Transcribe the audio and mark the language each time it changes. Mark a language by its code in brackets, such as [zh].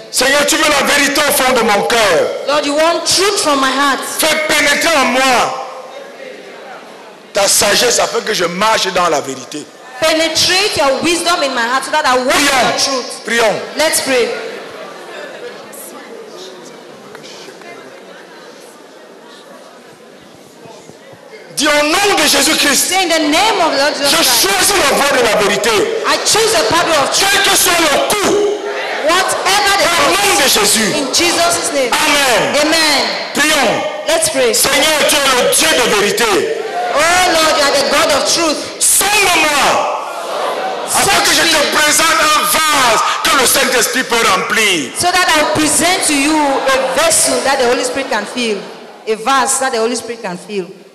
[fr] Seigneur, tu veux la vérité au fond de mon cœur. [en] Lord, you want truth from my heart. [fr] Fais pénétrer en moi ta sagesse afin que je marche dans la vérité. [en] Penetrate your wisdom in my heart so that I walk in your truth. [fr] Prions. [en] Let's pray. [fr] Dis au nom de Jésus-Christ. [en] Say in the name of Lord Jesus Christ. [fr] Je choisis la voie de la vérité. [en] I choose the path of truth. [fr] Quel que soit le coût. [en] Whatever the [fr] cost. Au nom de Jésus. [en] In Jesus' name. [fr] Amen. [en] Amen. [fr] Prions. [en] Let's pray. [fr] Seigneur, tu es le Dieu de vérité. [en] Oh Lord, you are the God of truth. [fr] Sonde-moi. Afin que je te présente un vase que le Saint-Esprit peut remplir. [en] So that I present to you a vessel that the Holy Spirit can fill. A vase that the Holy Spirit can fill.